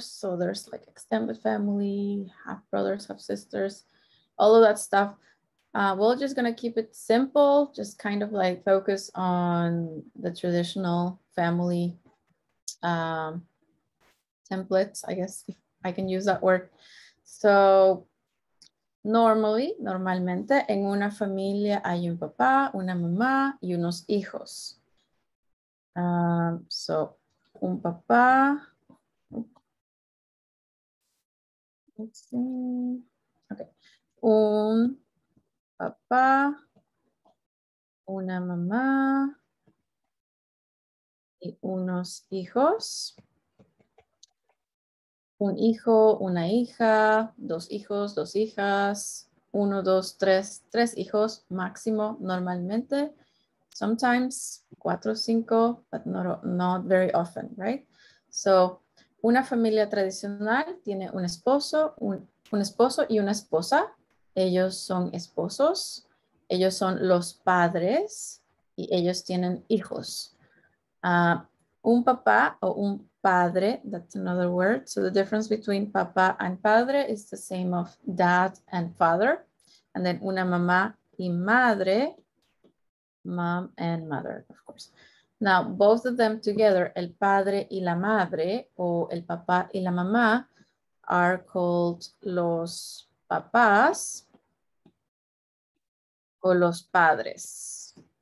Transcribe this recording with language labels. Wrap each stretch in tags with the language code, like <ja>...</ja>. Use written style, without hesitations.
<en>So there's like extended family, half brothers, half sisters, all of that stuff. We're just gonna keep it simple, just kind of like focus on the traditional family templates, I guess, if I can use that word.</en> <es>So normalmente en una familia hay un papá, una mamá y unos hijos.</es> <en>So un papá, let's see. Okay.</en> <es>Un papá, una mamá y unos hijos. Un hijo, una hija, dos hijas, uno, dos, tres, tres hijos máximo normalmente.</es> <en>Sometimes cuatro, cinco, but not very often, right?</en> <es>So, una familia tradicional tiene un esposo y una esposa. Ellos son esposos, ellos son los padres y ellos tienen hijos. Un papá o un padre, that's another word.</es> <en>So the difference between papá and padre is the same of dad and father. And then una mamá y madre, mom and mother, of course. Now, both of them together, el padre y la madre o el papá y la mamá are called los papás o los padres.</en>